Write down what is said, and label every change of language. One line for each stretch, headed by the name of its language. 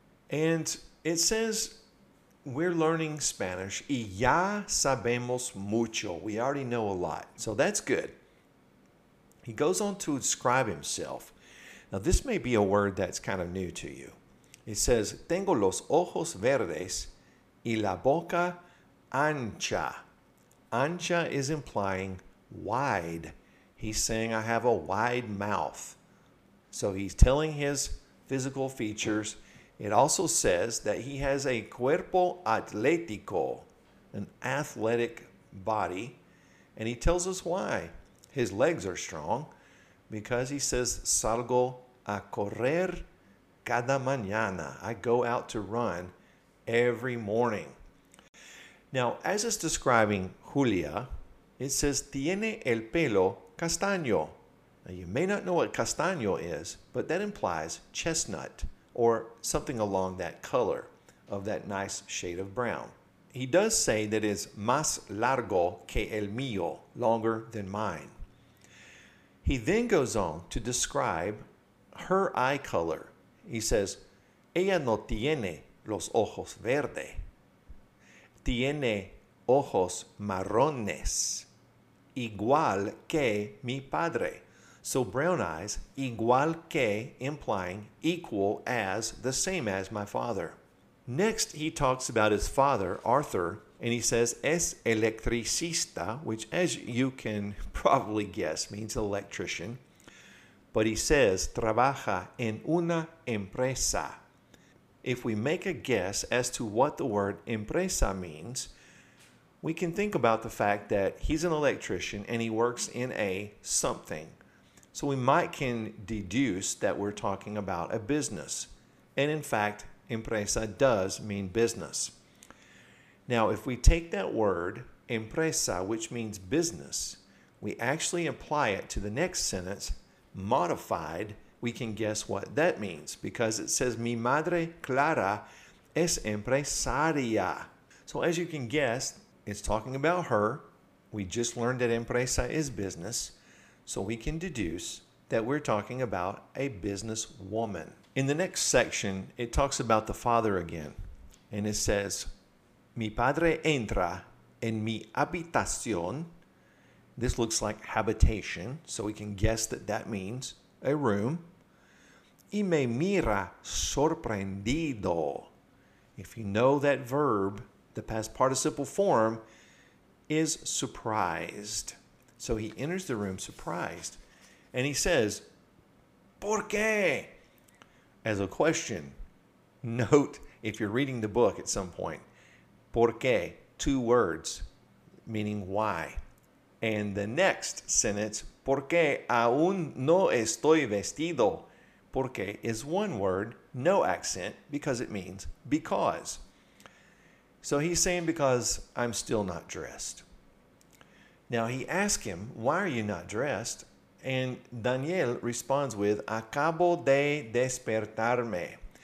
English: And it says we're learning Spanish.
Spanish: Y ya sabemos mucho.
English: We already know a lot. So that's good. He goes on to describe himself. Now, this may be a word that's kind of new to you. It says,
Spanish: tengo los ojos verdes y la boca ancha.
English: Ancha is implying wide. He's saying, I have a wide mouth. So he's telling his physical features. It also says that he has a
Spanish: cuerpo atlético,
English: an athletic body. And he tells us why. His legs are strong because he says,
Spanish: salgo a correr cada mañana.
English: I go out to run every morning. Now, as it's describing Julia, it says,
Spanish: tiene el pelo castaño.
English: Now, you may not know what castaño is, but that implies chestnut or something along that color of that nice shade of brown. He does say that it's
Spanish: más largo que el mío,
English: longer than mine. He then goes on to describe her eye color. He says,
Spanish: ella no tiene los ojos verde. Tiene ojos marrones, igual que mi padre.
English: So brown eyes,
Spanish: igual que,
English: implying equal as, the same as my father. Next, he talks about his father, Arthur, and he says,
Spanish: es electricista,
English: which as you can probably guess, means electrician. But he says,
Spanish: trabaja en una empresa.
English: If we make a guess as to what the word empresa means, we can think about the fact that he's an electrician and he works in a something. So we might can deduce that we're talking about a business. And in fact, empresa does mean business. Now, if we take that word empresa, which means business, we actually apply it to the next sentence, modified, we can guess what that means because it says,
Spanish: mi madre Clara es empresaria.
English: So as you can guess, it's talking about her. We just learned that empresa is business. So we can deduce that we're talking about a business woman. In the next section, it talks about the father again. And it says,
Spanish: mi padre entra en mi habitación.
English: This looks like habitation. So we can guess that that means a room.
Spanish: Y me mira sorprendido.
English: If you know that verb, the past participle form is surprised. So he enters the room surprised. And he says,
Spanish: ¿por qué?
English: As a question. Note, if you're reading the book at some point,
Spanish: ¿por qué?
English: Two words, meaning why. And the next sentence,
Spanish: ¿por qué aún no estoy vestido?
English: Porque is one word, no accent, because it means because. So he's saying because I'm still not dressed. Now he asks him, why are you not dressed? And Daniel responds with,
Spanish: acabo de despertarme.